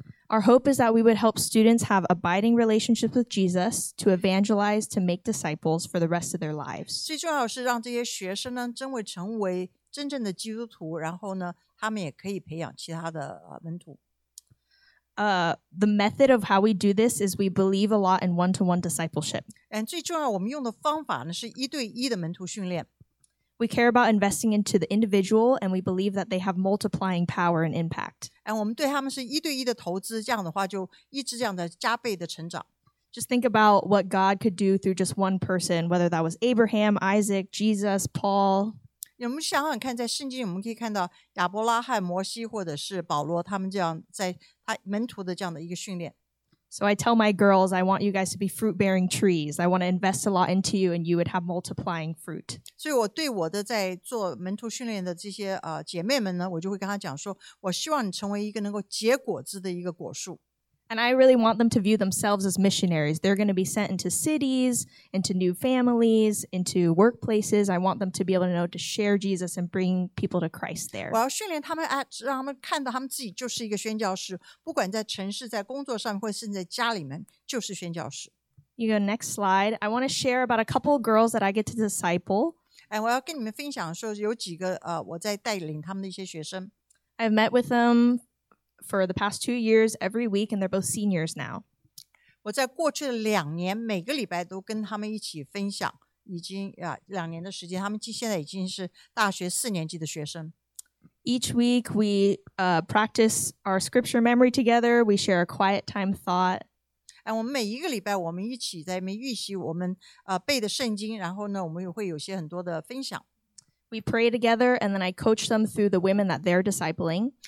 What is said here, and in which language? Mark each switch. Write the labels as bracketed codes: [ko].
[en] Our hope is that we would help students have abiding relationships with Jesus to evangelize, to make disciples for the rest of their lives. [zh] 最重要的是让这些学生呢，真会成为真正的基督徒，然后呢，他们也可以培养其他的门徒。 [en] The method of how we do this is we believe a lot in one-to-one discipleship. And [zh] 最重要我们用的方法呢是一对一的门徒训练。 [en] We care about investing into the individual and we believe that they have multiplying power and impact. And [zh] 我们对他们是一对一的投资，这样的话就一直这样的加倍的成长。 [en] Just think about what God could do through just one person, whether that was Abraham, Isaac, Jesus, Paul. [zh] 我们想想看，在圣经我们可以看到亚伯拉罕、摩西或者是保罗他们这样在门徒的这样的一个训练。 [en] So I tell my girls, I want you guys to be fruit-bearing trees. I want to invest a lot into you, and you would have multiplying fruit. [zh] 所以我对我的在做门徒训练的这些姐妹们呢，我就会跟她讲说，我希望你成为一个能够结果子的一个果树。 [en] And I really want them to view themselves as missionaries. They're going to be sent into cities, into new families, into workplaces. I want them to be able to know to share Jesus and bring people to Christ there. [zh] 我要训练他们，让他们看到他们自己就是一个宣教士，不管在城市、在工作上，或者甚至在家里面，就是宣教士。 [en] You go next slide. I want to share about a couple of girls that I get to disciple. And [zh] 我要跟你们分享说，有几个我在带领他们的一些学生。 [en] I've met with them. For the past 2 years, every week, and they're both seniors now. [zh] 我在过去的两年，每个礼拜都跟他们一起分享，已经两年的时间，他们现在已经是大学四年级的学生。 [en] Each week, we practice our scripture memory together. We share a quiet time thought. [zh] 哎，我们每一个礼拜，我们一起在那边预习我们背的圣经，然后呢，我们也会有些很多的分享。 [en] We pray together, and then I coach them through the women that they're discipling.